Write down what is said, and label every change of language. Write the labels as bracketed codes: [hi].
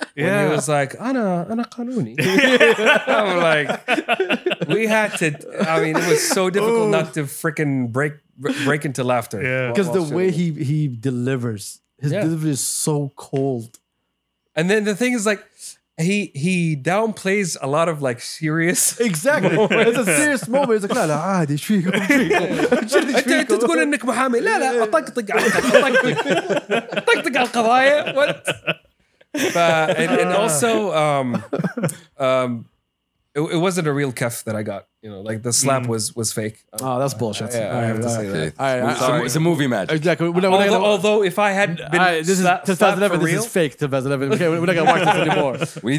[en] When he was like, [ar] Ana Kanuni. [en] I'm like, we had to, it was so difficult not to freaking break into laughter. Yeah. Because the way he delivers, his delivery is so cold. And then the thing is like, he downplays a lot of like serious moments. It's a serious moment. He's like, no, [ar] عادي شويه شويه. انت تقول انك محامي. لا لا اطقطق عليك اطقطق على القضايا. [en] And also It wasn't a real kef that I got. You know, like the slap was fake. Oh, that's bullshit. Yeah, yeah, I have to say that. All right, it's a movie magic. Exactly. Although, if I had been this is 2011, this is fake 2011. Okay, we're not going to watch this anymore.